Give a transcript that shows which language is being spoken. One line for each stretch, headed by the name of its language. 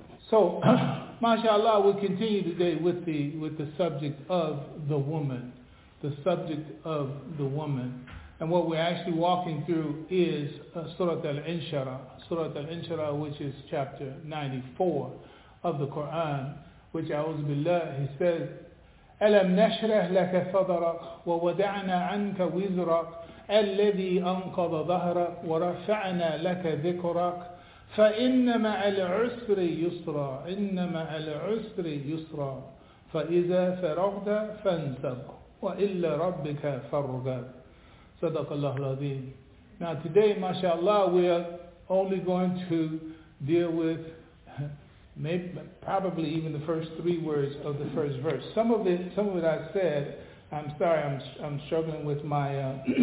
English: So, mashallah, we'll continue today with the subject of the woman. The subject of the woman. And what we're actually walking through is Surah Al-Inshirah, which is chapter 94. Of the Quran, which A'udhu Billah, he says,
Arabic: أَلَمْ نَشْرَحْ لَكَ صَدْرَكَ وَوَدَعْنَا عَنْكَ وِزْرَكَ الَّذِي أَنْقَضَ ظَهْرَكَ وَرَفَعْنَا لَكَ ذِكْرَكَ فَإِنَّ مَعَ الْعُسْرِ يُسْرًا إِنَّ مَعَ الْعُسْرِ يُسْرًا فَإِذَا فَرَغْتَ فَانْصَبْ وَإِلَّا رَبِّكَ فَارْغَبْ. صدق الله العظيم.
English: Now today, mashallah, we are only going to deal with maybe, probably even the first three words of the first verse. Some of it I said. I'm sorry. I'm struggling with my